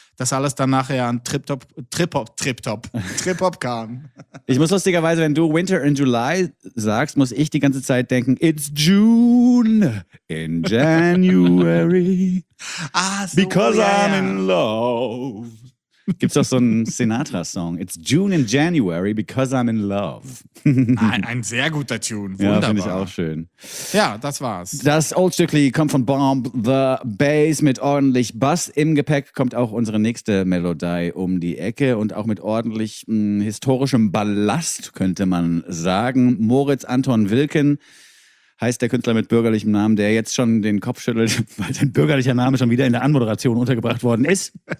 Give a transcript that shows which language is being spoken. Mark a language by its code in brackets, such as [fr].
[de] Dass alles dann nachher an Trip-Hop kam. Ich muss lustigerweise, wenn du Winter in July sagst, muss ich die ganze Zeit denken, [en] it's June in January. Ah, so, because yeah. I'm in love. [de] Gibt es auch so einen Sinatra-Song? [en] It's June in January because I'm in love. [de] ein sehr guter Tune. Wunderbar. Ja, finde ich auch schön. Ja, das war's. Das Old Stückli kommt von Bomb the Bass mit ordentlich Bass im Gepäck. Kommt auch unsere nächste Melodei um die Ecke und auch mit ordentlich historischem Ballast, könnte man sagen. Moritz Anton Wilken heißt der Künstler mit bürgerlichem Namen, der jetzt schon den Kopf schüttelt, weil sein bürgerlicher Name schon wieder in der Anmoderation untergebracht worden ist.